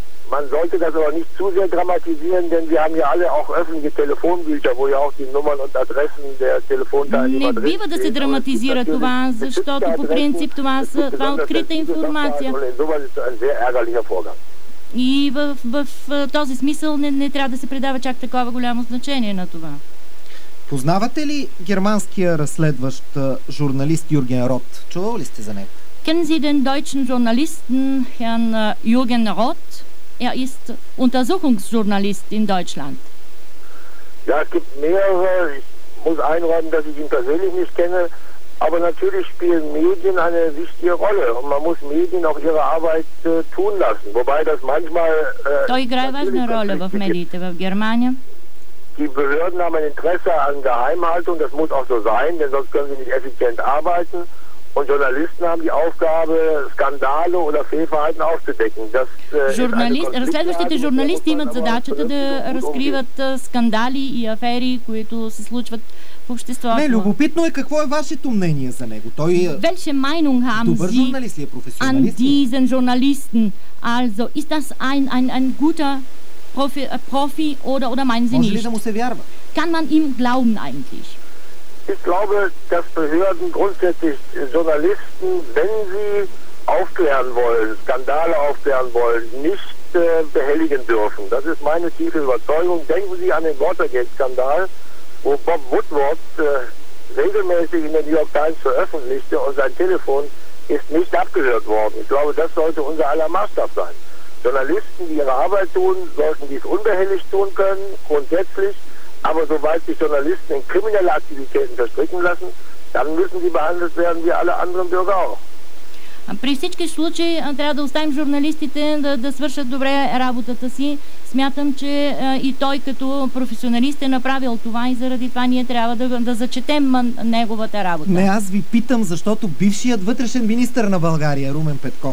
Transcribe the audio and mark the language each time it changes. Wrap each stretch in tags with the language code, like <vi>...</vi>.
<de>Man sollte das aber nicht zu sehr dramatisieren, denn wir haben ja alle auch öffentliche Telefonbücher, wo ja auch die Nummern und Adressen der Telefonteilnehmer drin sind.</de> <bg>Не бива да се драматизира това, защото по принцип това е открита информация.</bg> <de>Das ist ein sehr ärgerlicher Vorgang.</de> <bg>И в този смисъл не трябва да се придава чак такова голямо значение на това. Познавате ли германския разследващ журналист Юрген Рот? Чувал ли сте за него?</bg> <de>Kennen Sie den deutschen Journalisten Herrn Jürgen Roth? Er ist Untersuchungsjournalist in Deutschland. Ja, es gibt mehrere. Ich muss einräumen, dass ich ihn persönlich nicht kenne. Aber natürlich spielen Medien eine wichtige Rolle. Und man muss Medien auch ihre Arbeit tun lassen. Wobei das manchmal...</de> <bg>Той играе важна роля в медиите в Германия.</bg> <de>Die Behörden haben ein Interesse an Geheimhaltung. Das muss auch so sein, denn sonst können sie nicht effizient arbeiten. Und Journalisten haben die Aufgabe, Skandale oder Fehlverhalten aufzudecken.</de> <bg>Разследващите журналисти имат задачата да разкриват скандали и афери, които се случват в обществото. Не, любопитно е какво е вашето мнение за него. Той е добър журналист ли, е професионалист?</bg> <de>An diesen Journalisten, also ist das ein guter Profi oder meinen Sie nicht?</de> <bg>Може ли да му се вярва?</bg> <de>Kann man ihm glauben eigentlich? Ich glaube, dass Behörden grundsätzlich Journalisten, wenn sie aufklären wollen, Skandale aufklären wollen, nicht behelligen dürfen. Das ist meine tiefe Überzeugung. Denken Sie an den Watergate-Skandal, wo Bob Woodward regelmäßig in der New York Times veröffentlichte und sein Telefon ist nicht abgehört worden. Ich glaube, das sollte unser aller Maßstab sein. Journalisten, die ihre Arbeit tun, sollten dies unbehelligt tun können, grundsätzlich. Aber sobald sich Journalisten in kriminelle Aktivitäten verstricken lassen, dann müssen sie behandelt werden wie alle anderen Bürger auch.</de> <bg>При всички случаи трябва да оставим журналистите да свършат добре работата си. Смятам, че и той като професионалист е направил това и заради това ние трябва да зачетем неговата работа. Не, аз ви питам, защото бившият вътрешен министър на България, Румен Петков,</bg>